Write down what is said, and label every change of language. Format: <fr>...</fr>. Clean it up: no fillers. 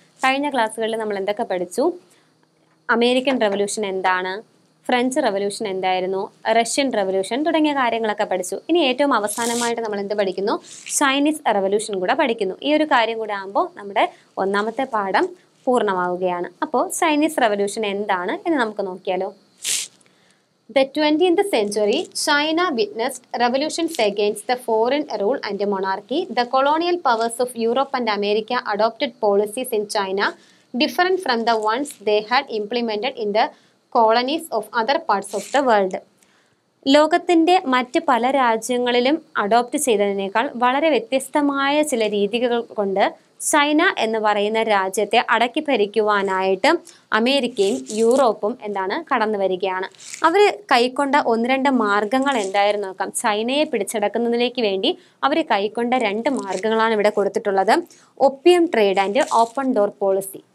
<ml>കഴിഞ്ഞ ക്ലാസ്സുകളിൽ നമ്മൾ എന്തൊക്കെ പഠിച്ചു? അമേരിക്കൻ റവല്യൂഷൻ എന്താണ്, ഫ്രഞ്ച് റവല്യൂഷൻ എന്തായിരുന്നു, റഷ്യൻ റവല്യൂഷൻ തുടങ്ങിയ കാര്യങ്ങളൊക്കെ പഠിച്ചു. ഇനി ഏറ്റവും അവസാനമായിട്ട് നമ്മൾ എന്ത് പഠിക്കുന്നു? ചൈനീസ് റവല്യൂഷൻ കൂടെ പഠിക്കുന്നു. ഈ ഒരു കാര്യം കൂടെ ആകുമ്പോൾ നമ്മുടെ ഒന്നാമത്തെ പാഠം പൂർണ്ണമാവുകയാണ്. അപ്പോൾ ചൈനീസ് റവല്യൂഷൻ എന്താണ് എന്ന് നമുക്ക് നോക്കിയാലോ.</ml> <en>The 20th century, China witnessed revolutions against the foreign rule and the monarchy. The colonial powers of Europe and America adopted policies in China different from the ones they had implemented in the colonies of other parts of the world.</en> <ml>ലോകത്തിൻ്റെ മറ്റ് പല രാജ്യങ്ങളിലും adopt ചെയ്തതിനേക്കാൾ വളരെ വ്യത്യസ്തമായ ചില രീതികൾ കൊണ്ട് China എന്ന് പറയുന്ന രാജ്യത്തെ അടക്കി ഭരിക്കുവാനായിട്ട് അമേരിക്കയും യൂറോപ്പും എന്താണ് കടന്നു വരികയാണ്. അവർ കൈക്കൊണ്ട ഒന്ന് രണ്ട് മാർഗങ്ങൾ എന്തായിരുന്നു നോക്കാം. ചൈനയെ പിടിച്ചെടുക്കുന്നതിലേക്ക് വേണ്ടി അവർ കൈക്കൊണ്ട രണ്ട് മാർഗങ്ങളാണ് ഇവിടെ കൊടുത്തിട്ടുള്ളത്, Opium trade and open door policy.</ml>